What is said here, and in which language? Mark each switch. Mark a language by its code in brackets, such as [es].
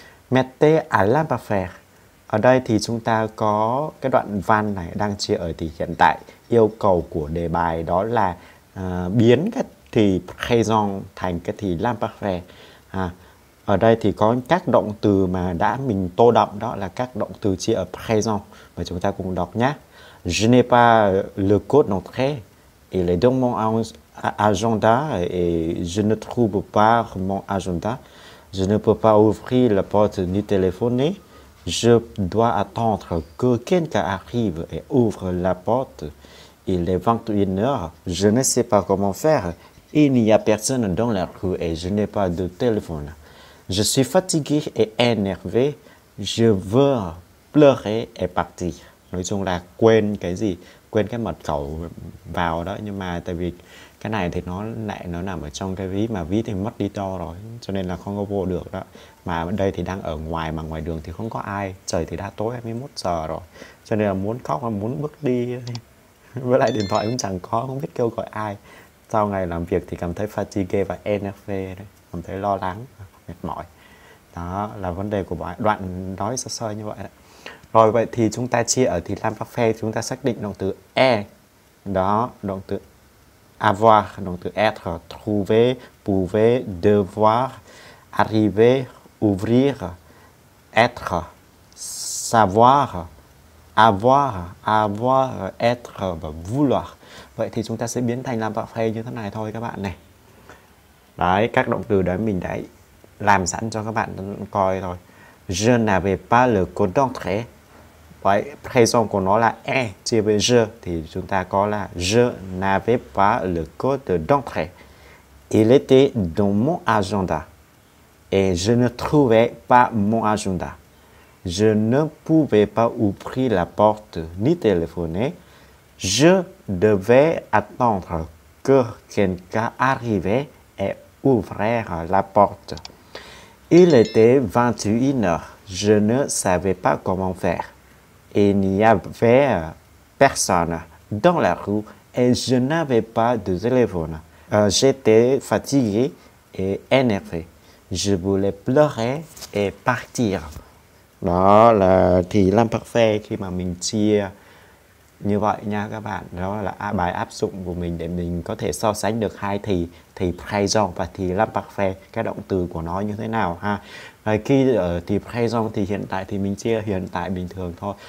[fr] Mettez à la parfaire. [vi] Ở đây thì chúng ta có cái đoạn văn này đang chia ở thì hiện tại. Yêu cầu của đề bài đó là biến cái thì présent thành cái thì la parfaire. Ở đây thì có các động từ mà đã mình tô động, đó là các động từ chia ở présent. Và chúng ta cùng đọc nhé. [fr] Je n'ai pas le code d'entrée. Il est dans mon agenda et je ne trouve pas mon agenda. Je ne peux pas ouvrir la porte ni téléphoner. Je dois attendre que quelqu'un arrive et ouvre la porte. Il est 21h. Je ne sais pas comment faire. Il n'y a personne dans la rue et je n'ai pas de téléphone. Je suis fatigué et énervé. Je veux pleurer et partir. [vi] Nói chung là quên cái gì? Quên cái mật khẩu vào đó. Nhưng mà tại vì cái này thì nó nằm ở trong cái ví, mà ví thì mất đi to rồi, cho nên là không có vô được đó. Mà đây thì đang ở ngoài, mà ngoài đường thì không có ai, trời thì đã tối 21 giờ rồi, cho nên là muốn khóc, muốn bước đi, với lại điện thoại cũng chẳng có, không biết kêu gọi ai. Sau ngày làm việc thì cảm thấy fatigue và NFV đấy, cảm thấy lo lắng, mệt mỏi. Đó là vấn đề của đoạn nói sơ sơ như vậy đấy. Rồi vậy thì chúng ta chia ở thì làm parfait, chúng ta xác định động từ e đó, động từ avoir, động từ être, trouver, pouvoir, devoir, arriver, ouvrir, être, savoir, avoir, être và vouloir. Vậy thì chúng ta sẽ biến thành làm parfait như thế này thôi các bạn này. Đấy, các động từ đấy mình đã làm sẵn cho các bạn coi rồi. [fr] Je n'avais pas le code d'entrée. [vi] Vậy présent của nó là e chia với je, thì chúng ta có là [fr] je n'avais pas le code d'entrée. Il était dans mon agenda et je ne trouvais pas mon agenda. Je ne pouvais pas ouvrir la porte ni téléphoner. Je devais attendre que quelqu'un arrivait et ouvrir la porte. Il était 21h. Je ne savais pas comment faire. Il n'y avait personne dans la rue et je n'avais pas de téléphone. J'étais fatigué et énervé. Je voulais pleurer et partir. [vi] Đó là thì l'imparfait khi mà mình chia như vậy nha các bạn. Đó là bài áp dụng của mình để mình có thể so sánh được hai thì présent và thì l'imparfait, cái động từ của nó như thế nào ha. Khi ở thì présent thì hiện tại thì mình chia hiện tại bình thường thôi.